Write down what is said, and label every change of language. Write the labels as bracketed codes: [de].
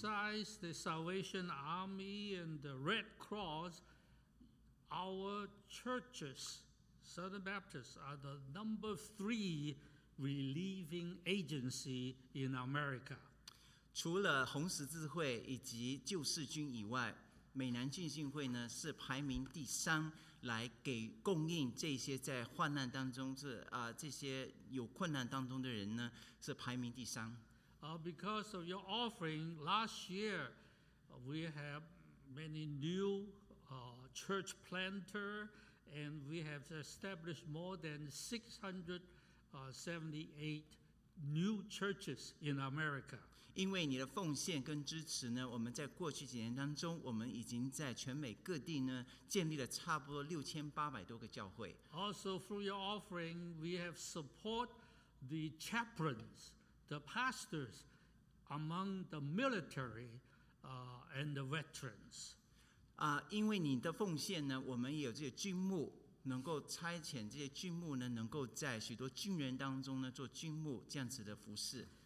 [en] Besides the Salvation Army and the Red Cross, our churches, Southern Baptists, are the number three relieving agency in America. [zh] 除了红十字会以及救世军以外，美南浸信会呢是排名第三。来给供应这些在患难当中是这些有困难当中的人呢，是排名第三。 [en] Because of your offering last year, we have many new church planter, and we have established more than 678new churches in America. [zh] 因为你的奉献跟支持呢，我们在过去几年当中，我们已经在全美各地呢建立了差不多6800多个教会。 [en] Also through your offering, we have support the chaplains, the pastors among the military, and the veterans. [zh] 因为你的奉献呢，我们也有这些军牧。能够差遣这些军牧呢，能够在许多军人当中呢做军牧这样子的服事。